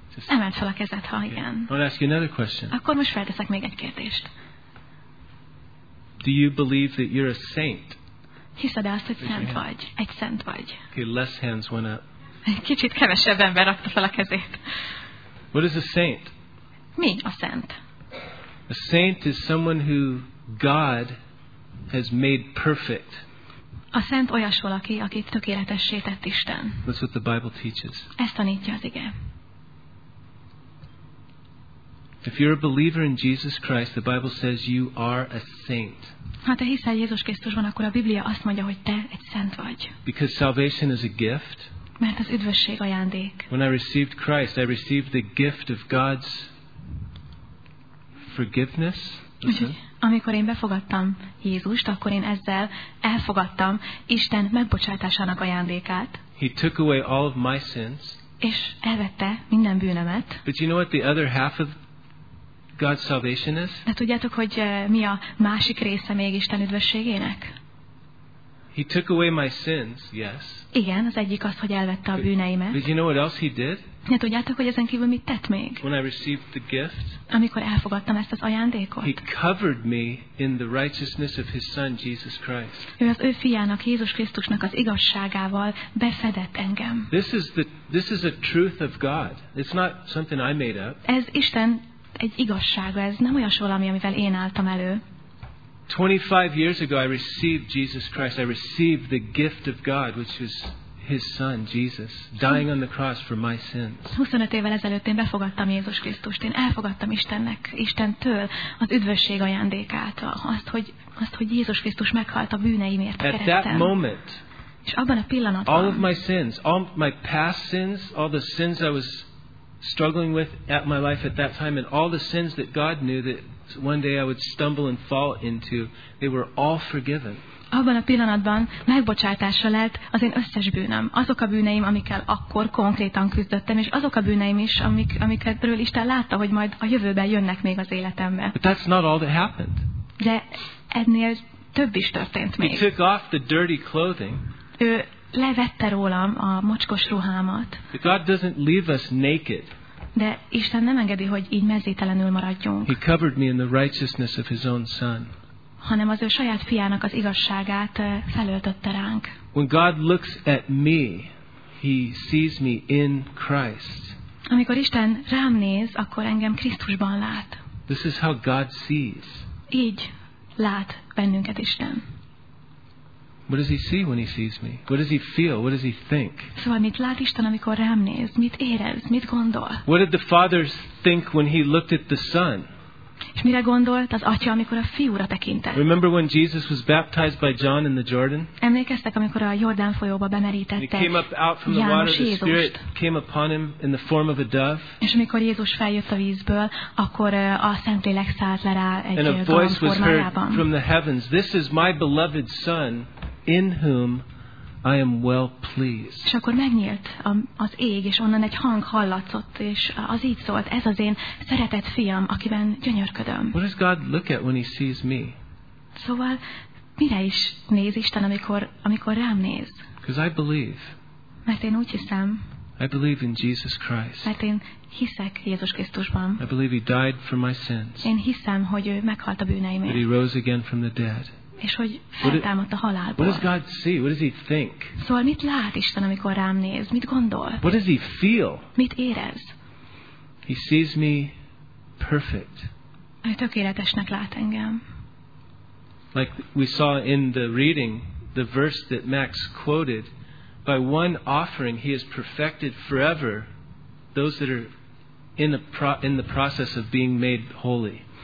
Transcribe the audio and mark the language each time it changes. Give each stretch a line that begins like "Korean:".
Hungarian: Emeld fel a kezed, ha igen.
English: I want to ask you another question.
Hungarian: Akkor most felteszek még egy kérdést.
English: Do you believe that you're a saint?
Hungarian: Hiszed azt, hogy szent vagy? Egy szent vagy.
English: Okay, less hands went up.
Hungarian: Egy kicsit kevesebb ember rakta fel a kezét.
English: What is a saint?
Hungarian: Mi a szent?
English: A saint is someone who God has made perfect.
Hungarian: A szent olyas valaki, akit tökéletessé tett Isten.
English: That's what the Bible teaches.
Hungarian: Ezt tanítja az ige.
English: If you're a believer in Jesus Christ, the Bible says you are a saint.
Hungarian: Ha te hiszel Jézus Krisztusban, akkor a Biblia azt mondja, hogy te egy szent vagy.
English: Because salvation is a gift.
Hungarian: Mert az üdvösség ajándék.
English: When I received Christ, I received the gift of God's forgiveness.
Hungarian: Úgyhogy, amikor én befogadtam Jézust, akkor én ezzel elfogadtam Isten megbocsátásának ajándékát.
English: He took away all of my sins.
Hungarian: És elvette minden bűnömet.
English: But you know what the other half of God's salvation is?
Hungarian: De tudjátok, hogy mi a másik része még Isten üdvösségének?
English: He took away my sins, yes.
Hungarian: Igen, az egyik az, hogy elvette a bűneimet.
English: But you know what else he did?
Hungarian: De tudjátok, hogy ezen kívül mit tett még?
English: When I received the gift,
Hungarian: amikor elfogadtam ezt az ajándékot.
English: He covered me in the righteousness of his son Jesus Christ.
Hungarian: Ő az ő fiának, Jézus Krisztusnak az igazságával befedett engem.
English: This is a truth of God. It's not something I made up.
Hungarian: Ez Isten egy igazsága, ez nem olyas valami, amivel én álltam elő.
English: 25 years ago I received Jesus Christ. I received the gift of God, which was his son Jesus dying on the cross for my sins.
Hungarian: 25 évvel ezelőtt én befogadtam Jézus Krisztust. Én elfogadtam Istennek, Istentől az üdvösség ajándékát, azt, hogy Jézus Krisztus meghalt a bűneimért a kereszten.
English: At that moment.
Hungarian: És abban a pillanatban.
English: All of my sins, all my past sins, all the sins I was struggling with at my life at that time, and all the sins that God knew that one day I would stumble and fall into, they were all forgiven.
Hungarian: Abban a pillanatban megbocsátásra lett az én összes bűnöm. Azok a bűneim, amikkel akkor konkrétan küzdöttem, és azok a bűneim is, amikről Isten látta, hogy majd a jövőben jönnek még az életembe.
English: But that's not all that happened.
Hungarian: De ennél több is történt még.
English: He took off the dirty clothing.
Hungarian: Ő levette rólam a mocskos ruhámat.
English: But God doesn't leave us naked.
Hungarian: De Isten nem engedi, hogy így mezítelenül maradjunk.
English: He covered me in the righteousness of his own son.
Hungarian: Hanem az ő saját fiának az igazságát felöltötte ránk.
English: When God looks at me, he sees me in Christ.
Hungarian: Amikor Isten rám néz, akkor engem Krisztusban lát.
English: This is how God sees.
Hungarian: Így lát bennünket Isten.
English: What does he see when he sees me? What does he feel? What does he think?
Hungarian: Szóval mit lát Isten, amikor rám néz? Mit érez? Mit gondol?
English: What did the Father think when he looked at the Son?
Hungarian: És mire gondolt az Atya, amikor a Fiúra tekintett?
English: Remember when Jesus was baptized by John in the Jordan?
Hungarian: Emlékeztek, amikor a Jordán folyóba bemerítette János Jézust?
English: And he came up out from the water, the Spirit came upon him in the form of a dove.
Hungarian: És amikor Jézus feljött a vízből, akkor a Szentlélek szállt le rá egy gomb formájában.
English: And a voice was heard from the heavens, "This is my beloved Son, in whom I am well pleased."
Hungarian: És akkor megnyílt az ég, és onnan egy hang hallatszott, és az így szólt: ez az én szeretett fiam, akiben gyönyörködöm.
English: What does God look at when he sees me?
Hungarian: Szóval mire is néz Isten, amikor rám néz?
English: Because I believe.
Hungarian: Mert én úgy hiszem.
English: I believe in Jesus Christ.
Hungarian: Mert én hiszek Jézus Krisztusban.
English: I believe he died for my sins.
Hungarian: Én hiszem, hogy ő meghalt a bűneimért.
English: But he rose again from the dead.
Hungarian: És hogy feltámadt a halálból.
English: What does God see? What does he think?
Hungarian: Szóval mit lát Isten, amikor rám néz? Mit gondol?
English: What does he feel?
Hungarian: Mit érez?
English: He sees me perfect.
Hungarian: Ő tökéletesnek lát engem.
English: Like we saw in the reading, the verse that Max quoted, by one offering he has perfected forever those that are in the process of being made holy.